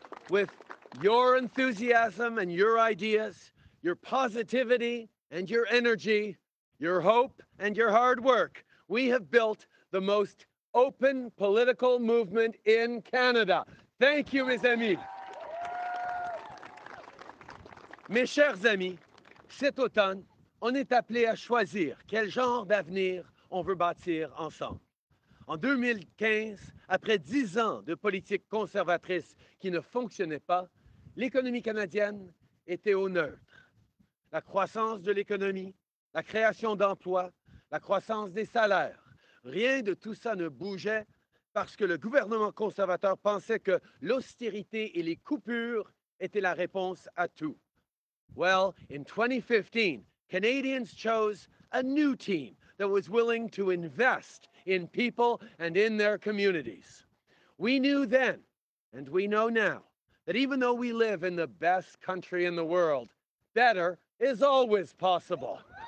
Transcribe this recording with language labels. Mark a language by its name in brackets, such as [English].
[English] With your enthusiasm and your ideas, your positivity and your energy, your hope and your hard work, we have built the most open political movement in Canada. Thank you, [French] mes amis. Mes chers amis, cet automne, on est appelé à choisir quel genre d'avenir on veut bâtir ensemble. En 2015, après 10 ans de politique conservatrice qui ne fonctionnait pas, l'économie canadienne était au neutre. La croissance de l'économie, la création d'emplois, la croissance des salaires, rien de tout ça ne bougeait parce que le gouvernement conservateur pensait que l'austérité et les coupures étaient la réponse à tout. [English] Well, in 2015, Canadians chose a new team that was willing to invest in people and in their communities. We knew then, and we know now, that even though we live in the best country in the world, better is always possible.